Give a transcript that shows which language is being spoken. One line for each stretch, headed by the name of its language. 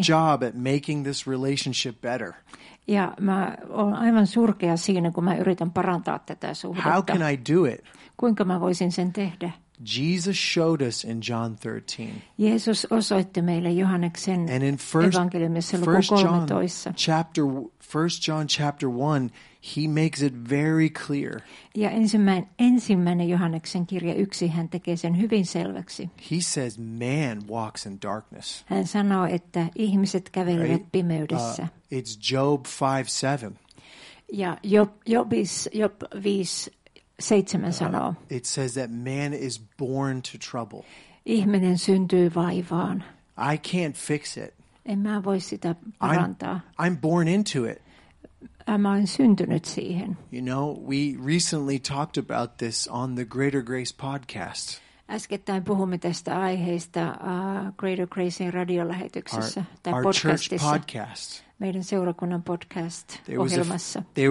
English: I do a horrible job at making this relationship better.
Finnish: Ja mä oon aivan surkea siinä, kun mä yritän parantaa tätä suhdetta.
English: How can I do it?
Finnish: Kuinka mä voisin sen tehdä?
English: Jesus showed us in John 13.
Finnish: Jeesus osoitti meille Johanneksen evankeliumissa luku 13.
English: First John chapter 1, he makes it very clear.
Finnish: Ja ensimmäinen Johanneksen kirja 1, hän tekee sen hyvin selväksi.
English: He says man walks in darkness.
Finnish: Hän sanoo, että ihmiset kävelevät pimeydessä.
English: It's Job 5:7.
Finnish: Ja Job 5:7 sanoo.
English: It says that man is born to trouble.
Finnish: Ihminen syntyy vaivaan.
English: I can't fix it.
Finnish: En mä voi sitä parantaa.
English: I'm born into it.
Finnish: Mä olen syntynyt siihen.
English: You know, we recently talked about this on the Greater Grace podcast.
Finnish: Äskettäin puhumme tästä aiheesta Greater Gracein radiolähetyksessä tai
English: our
Finnish: podcastissa.
English: Church podcast.
Finnish: Meidän seurakunnan podcast ohjelmassa.